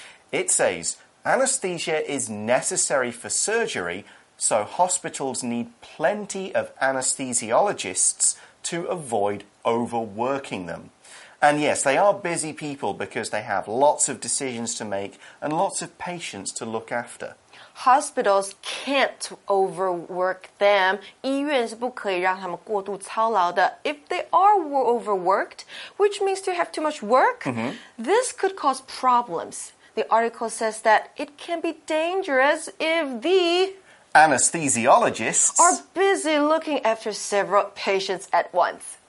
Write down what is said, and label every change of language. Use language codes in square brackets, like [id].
[en] It says, anesthesia is necessary for surgery, so hospitals need plenty of anesthesiologists to avoid overworking them. And yes, they are busy people because they have lots of decisions to make and lots of patients to look after. Hospitals can't overwork them. [zh] 医院是不可以让他们过度操劳的。 [en] If they are overworked, which means they have too much work, this could cause problems. The article says that it can be dangerous if the... Anesthesiologists are busy looking after several patients at once.